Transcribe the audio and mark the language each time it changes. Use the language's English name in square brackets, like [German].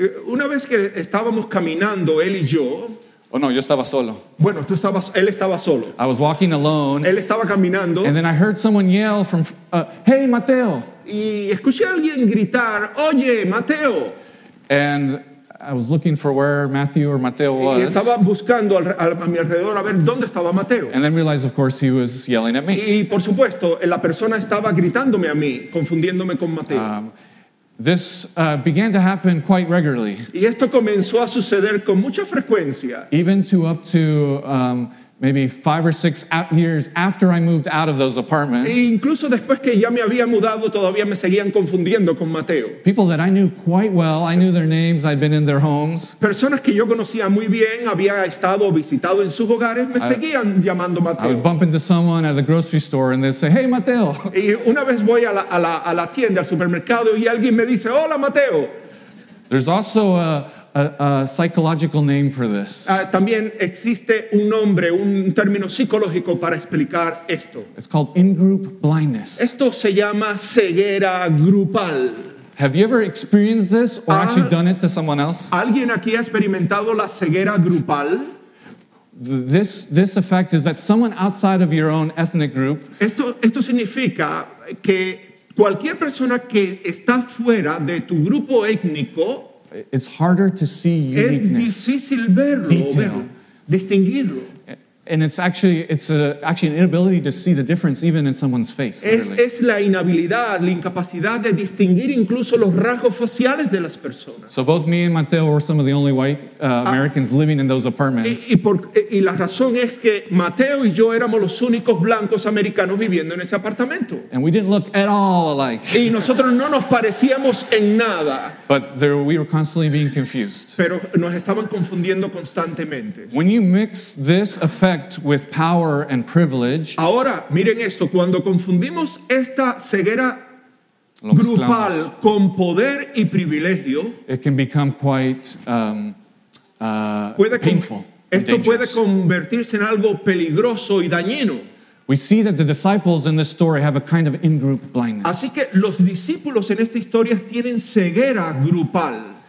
[Spanish] Una vez que estábamos caminando, él y yo. Oh no, yo estaba solo. Bueno, tú estabas, él estaba solo. [English] I was walking alone. [Spanish] Él estaba caminando. [English] And then I heard someone yell from, hey, Mateo. [Spanish] Y escuché a alguien gritar, oye, Mateo. [English] And I was looking for where Matthew or Mateo was. [Spanish] Y estaba buscando a mi alrededor a ver dónde estaba Mateo. [English] And then realized, of course, he was yelling at me. [Spanish] Y por supuesto, la persona estaba gritándome a mí, confundiéndome con Mateo. [English] This began to happen quite regularly. [Spanish] Y esto comenzó a suceder con mucha frecuencia. [English] Even to up to maybe 5 or 6 years after I moved out of those apartments. [Spanish] E incluso después que ya me había mudado, todavía me seguían confundiendo con Mateo. [English] People that I knew quite well, I knew their names, I'd been in their homes. [Spanish] Personas que yo conocía muy bien, había estado o visitado en sus hogares, me seguían llamando Mateo. [English] I would bump into someone at the grocery store and they'd say, hey, Mateo. [Spanish] Y una vez voy a la tienda, al supermercado, y alguien me dice, hola, Mateo. [English] There's also a psychological name for this. [Spanish] También existe un nombre, un término psicológico para explicar esto. [English] It's called in-group blindness. [Spanish] Esto se llama ceguera grupal. [English] Have you ever experienced this or actually done it to someone else? [Spanish] ¿Alguien aquí ha experimentado la ceguera grupal? [English] This effect is that someone outside of your own ethnic group. [Spanish] Esto significa que cualquier persona que está fuera de tu grupo étnico. [English] It's harder to see uniqueness. [Spanish] Es difícil verlo, distinguirlo. [English] And it's actually an inability to see the difference even in someone's face. [Spanish] Es la inhabilidad, la incapacidad de distinguir incluso los rasgos faciales de las personas. [English] So both me and Mateo were some of the only white Americans living in those apartments. [Spanish] Y la razón es que Mateo y yo éramos los únicos blancos americanos viviendo en ese apartamento. [English] And we didn't look at all alike. [Spanish] Y nosotros no nos parecíamos en nada. [English] But we were constantly being confused. [Spanish] Pero nos estaban confundiendo constantemente. [English] When you mix this effect with power and privilege. [Spanish] Ahora, miren esto, cuando confundimos esta ceguera grupal con poder y privilegio, [English] it can become quite painful. [Spanish] Esto puede convertirse en algo peligroso y dañino. [English] We see that the disciples in this story have a kind of in-group blindness. [Spanish] Así que los discípulos en esta historia tienen ceguera grupal.